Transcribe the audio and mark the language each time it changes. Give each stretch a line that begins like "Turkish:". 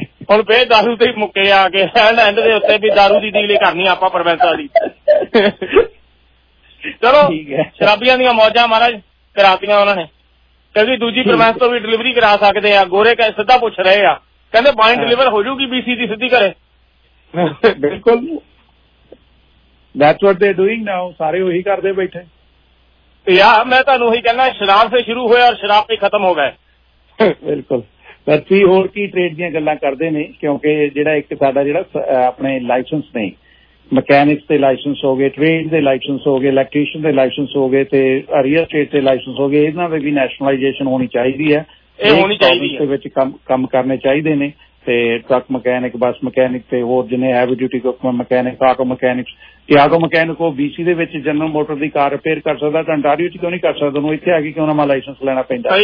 Punjabi: ਹੁਣ ਫੇਰ ਦਾਰੂ ਤੇ ਮੁੱਕੇ ਆ ਕੇ ਐਂਡ ਦੇ ਉੱਤੇ ਵੀ ਦਾਰੂ ਦੀ ਡੀਲ ਕਰਨੀ ਆਪਾਂ ਪ੍ਰਵੈਂਸਾਂ ਦੀ ਚਲੋ ਸ਼ਰਾਬੀਆਂ ਦੀਆਂ ਮੌਜਾਂ ਮਹਾਰਾਜ ਕਰਾਤੀਆਂ ਉਹਨਾਂ ਨੇ ਕਹਿੰਦੇ ਦੂਜੀ ਪ੍ਰਵੈਂਸ ਤੋਂ ਵੀ ਡਿਲੀਵਰੀ ਕਰਾ ਸਕਦੇ ਆ ਗੋਰੇ ਕਹਿ ਸਿੱਧਾ ਪੁੱਛ ਰਹੇ ਆ ਕਹਿੰਦੇ ਬਾਈ ਡਿਲੀਵਰ ਹੋ ਜੂਗੀ ਬੀਸੀ ਦੀ ਸਿੱਧੀ ਘਰੇ ਬਿਲਕੁਲ
English: That's what they're doing now.
Punjabi: ਸਾਰੇ ਉਹੀ ਕਰਦੇ ਬੈਠੇ ਯਾਰ ਮੈਂ ਤੁਹਾਨੂੰ ਉਹੀ ਕਹਿੰਦਾ ਸ਼ਰਾਬ ਤੇ ਸ਼ੁਰੂ ਹੋਇਆ ਔਰ ਸ਼ਰਾਬ ਤੇ ਖਤਮ ਹੋ ਗਏ ਬਿਲਕੁਲ ਬਰਤੀ ਹੋਰ ਕੀ ਟ੍ਰੇਡ ਦੀਆਂ ਗੱਲਾਂ ਕਰਦੇ ਨੇ ਕਿਉਂਕਿ ਜਿਹੜਾ ਇੱਕ ਸਾਡਾ ਜਿਹੜਾ ਆਪਣੇ ਲਾਇਸੈਂਸ ਨੇ ਮਕੈਨਿਕਸ ਦੇ ਲਾਇਸੈਂਸ ਹੋ ਗਏ ਟ੍ਰੇਡ ਦੇ ਲਾਇਸੈਂਸ ਹੋ ਗਏ ਇਲੈਕਟ੍ਰੀਸ਼ਨ ਦੇ ਲਾਇਸੈਂਸ ਹੋ ਗਏ ਤੇ ਰੀਅਲ ਸਟੇਟ ਦੇ ਲਾਇਸੈਂਸ ਹੋ ਗਏ ਇਹਨਾਂ ਦੇ ਵੀ ਨੈਸ਼ਨਲਾਈਜੇਸ਼ਨ ਹੋਣੀ ਚਾਹੀਦੀ ਹੈ ਦੇ ਵਿੱਚ ਕੰਮ ਕਰਨੇ ਚਾਹੀਦੇ ਨੇ ਤੇ ਟਰੱਕ ਮਕੈਨਿਕ ਬੱਸ ਮਕੈਨਿਕ ਤੇ ਹੋਰ ਜਿੰਨੇ heavy duty mechanic auto mechanic ਤੇ ਆਟੋ ਮਕੈਨਿਕ ਉਹ ਬੀਸੀ ਦੇ ਵਿੱਚ ਜਨਰਲ ਮੋਟਰ ਦੀ ਕਾਰ ਰਿਪੇਅਰ ਕਰ ਸਕਦਾ ਤਾਂ ਅੰਟਾਰੀਓ ਚ ਕਿਉਂ ਨਹੀਂ ਕਰ ਸਕਦਾ ਉਹਨੂੰ ਇੱਥੇ ਆ ਕੇ ਕਿਉਂ ਨਵਾਂ ਲਾਇਸੈਂਸ ਲੈਣਾ ਪੈਂਦਾ